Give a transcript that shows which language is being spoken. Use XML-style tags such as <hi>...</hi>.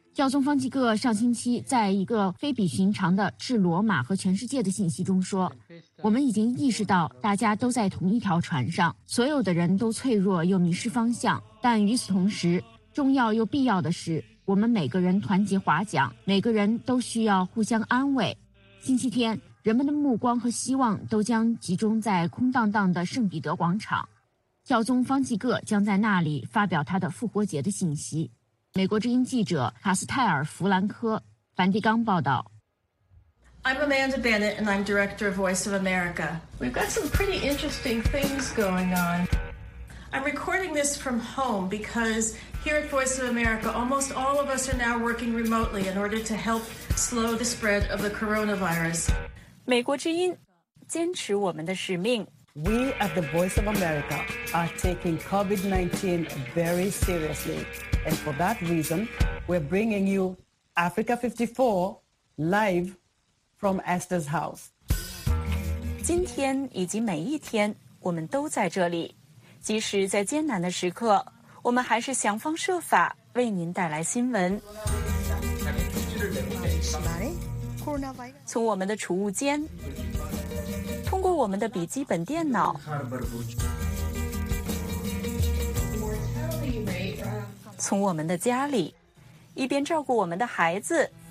<zh>教宗方济各上星期在一个非比寻常的致罗马和全世界的信息中说，我们已经意识到大家都在同一条船上，所有的人都脆弱又迷失方向，但与此同时，重要又必要的是我们每个人团结划桨，每个人都需要互相安慰。星期天，人们的目光和希望都将集中在空荡荡的圣彼得广场，教宗方济各将在那里发表他的复活节的信息。美国之音记者卡斯泰尔·弗兰科，梵蒂冈报道。</zh> <en>I'm Amanda Bennett and I'm director of Voice of America. We've got some pretty interesting things going on. I'm recording this from home because here at Voice of America, almost all of us are now working remotely in order to help slow the spread of the coronavirus.</en> <zh>美国之音，坚持我们的使命。</zh> <en>We at the Voice of America are taking COVID-19 very seriously. And for that reason, we're bringing you Africa 54 live from Esther's house.</en> <zh>今天以及每一天，我们都在这里。即使在艰难的时刻，我们还是想方设法为您带来新闻。从我们的储物间，通过我们的笔记本电脑，从我们的家里，一边照顾我们的孩子，</zh>